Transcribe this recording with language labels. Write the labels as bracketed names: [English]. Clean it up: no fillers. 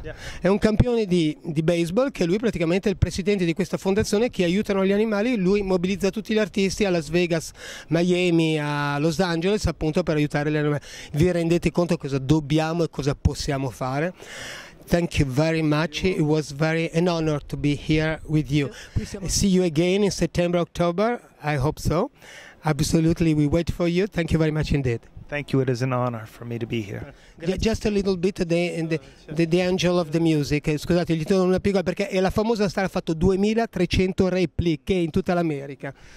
[English] Yeah. [Italian] È un campione di baseball, che lui praticamente è il presidente di questa fondazione che aiutano gli animali. Lui mobilizza tutti gli artisti a Las Vegas, Miami, a Los Angeles, appunto per aiutare gli animali. Vi rendete conto cosa dobbiamo e cosa possiamo fare? [English] Thank you very much. It was very an honor to be here with you. See you again in September, October. I hope so. Absolutely, we wait for you. Thank you very much indeed. Thank you. It is an honor for me to be here. Just a little bit the angel of the music. [Italian] Scusate, gli do una piccola, perché è la famosa star, ha fatto 2300 repliche in tutta l'America.